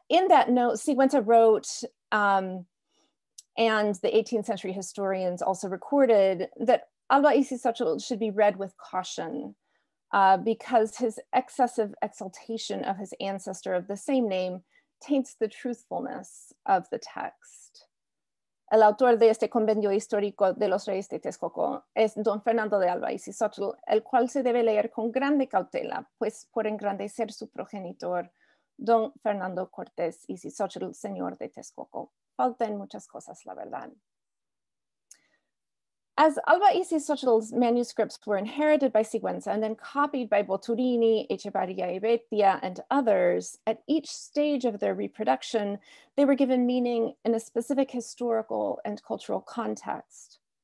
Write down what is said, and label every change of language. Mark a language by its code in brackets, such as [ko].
[en] In that note, Sigüenza wrote, and the 18th century historians also recorded, that Alba Isisochel should be read with caution because his excessive exaltation of his ancestor of the same name taints the truthfulness of the text. [es] El autor de este compendio histórico de los Reyes de Texcoco es Don Fernando de Alba Isisochel, el cual se debe leer con grande cautela, pues por engrandecer su progenitor, Don Fernando Cortés Isisochel, señor de Texcoco. Faltan muchas cosas, la verdad. [en] As Alba Isisochel's manuscripts were inherited by Sigüenza and then copied by Boturini, Echeverría y Betia, and others, at each stage of their reproduction, they were given meaning in a specific historical and cultural context.